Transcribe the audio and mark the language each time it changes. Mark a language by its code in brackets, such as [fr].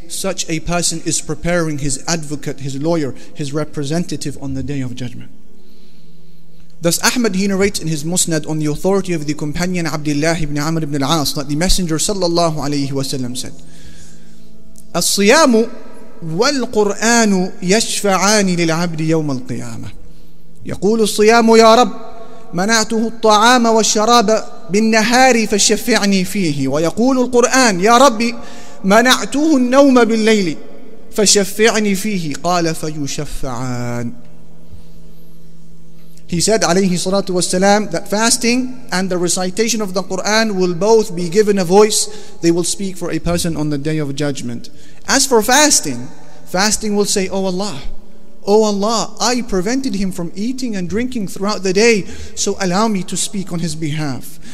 [en] Such a person is preparing his advocate, his lawyer, his representative on the Day of Judgment. Thus Ahmad, he narrates in his Musnad on the authority of the companion Abdullah ibn Amr ibn al-As that the Messenger sallallahu alayhi wa sallam said, [ar] الصيام والقرآن يشفعان للعبد يوم القيامة. يقول الصيام يا رب منعته الطعام والشراب بالنهار فشفعني فيه. ويقول القرآن يا ربي منعته النوم بالليل فشفعني فيه. قال فيشفعان. [en] He said [ar] عليه الصلاة والسلام [en] that fasting and the recitation of the Quran will both be given a voice. They will speak for a person on the day of judgment. As for fasting, fasting will say, oh Allah, oh Allah, I prevented him from eating and drinking throughout the day, so allow me to speak on his behalf.